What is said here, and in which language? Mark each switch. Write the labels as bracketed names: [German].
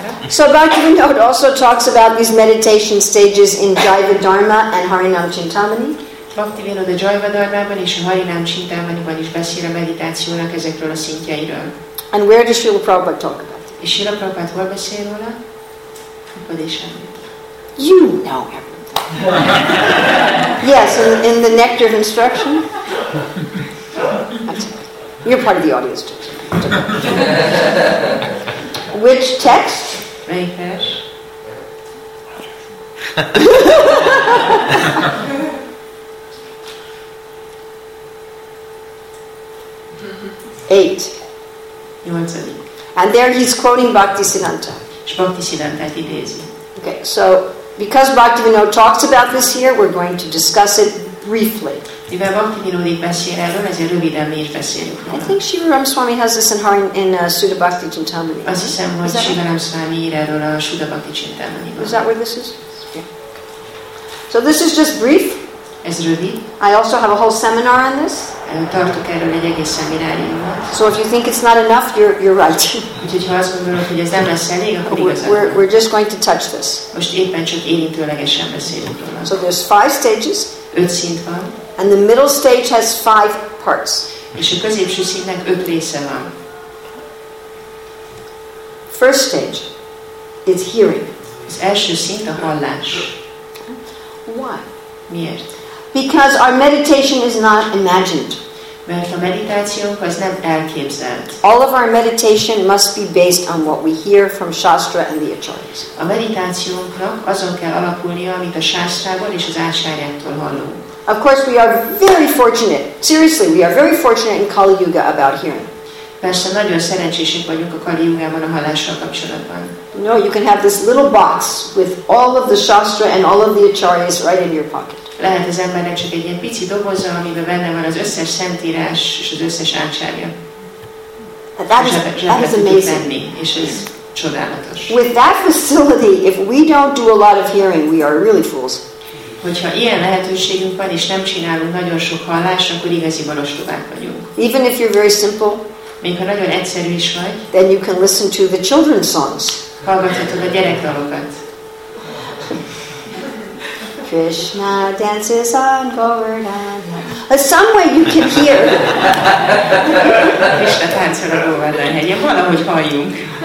[English] So Bhaktivinoda also talks about these meditation stages in Jiva Dharma and Harinam Chintamani. [Hungarian] Bhaktivinoda Jiva Dharmában és a Harinam Chintamaniban is beszél a meditációnak ezekről a szintjeiről. [English] And where does Srila Prabhupada talk about? [Hungarian] És Srila Prabhupada hol beszél róla? [English] Upadesan. You know everything. Yes, in the nectar of instruction. You're part of the audience too. Which text? [Hungarian] Melyikes? [English] Eight. And there he's quoting [Hungarian] Bhaktisiddhanta. Bhaktisiddhanta idézi. [English] Okay, so because Bhaktivinoda talks about this here, we're going to discuss it briefly. [Hungarian] Mivel Bhaktivinoda itt beszél erről, ezért röviden mi is beszélünk róla. [English] I think Shiva Ramaswami has this in Sudha Bhakti Chintamani. [Hungarian] Azt hiszem, hogy Shiva Ramaswami ír erről a Sudha Bhakti Chintamaniban. [English] Is that where this is? Yeah. So this is just brief. [Hungarian] Ez rövid. [English] I also have a whole seminar on this. [Hungarian] Tartok erről egy egész szemináriumot. [English] So if you think it's not enough, you're right. [Hungarian] Úgyhogy ha azt gondolod, hogy ez nem lesz elég, akkor igazad. [English] We're just going to touch this. [Hungarian] Most éppen csak érintőlegesen beszélünk róla. [English] So there's five stages. [Hungarian] Öt szint van. [English] And the middle stage has five parts. [Hungarian] És a középső szintnek öt része van. [English] First stage is hearing. [Hungarian] Az első szint a hallás. [English] Why? [Hungarian] Miért? [English] Because our meditation is not imagined. [Hungarian] Mert a meditációnk az nem elképzelt. [English] All of our meditation must be based on what we hear from Shastra and the Acharyas. [Hungarian] A meditációnknak azon kell alapulnia, amit a Sástrából és az Ácsárjától hallunk. [English] Of course, we are very fortunate. Seriously, we are very fortunate in Kali Yuga about hearing. [Hungarian] Persze, nagyon szerencsések vagyunk a Kali Yugában a hallással kapcsolatban. [English] No, you can have this little box with all of the Shastra and all of the Acharyas right in your pocket. [Hungarian] Lehet az embernek csak egy ilyen pici doboza, amiben benne van az összes szentírás és az összes ácsárja. [English] That is amazing. [Hungarian] Tenni, és ez csodálatos. [English] With that facility, if we don't do a lot of hearing, we are really fools. [Hungarian] Hogyha ilyen lehetőségünk van, és nem csinálunk nagyon sok hallást, akkor igazi balostobák vagyunk. [English] Even if you're very simple, [Hungarian] még ha nagyon egyszerű is vagy, [English] then you can listen to the children's songs. [Hungarian] Hallgathatod a gyerekdalokat. [English] Krishna dances on Govardhan. Some way you can hear. [Hungarian] Krishna táncol a Govardhan hegyen, valahogy halljunk.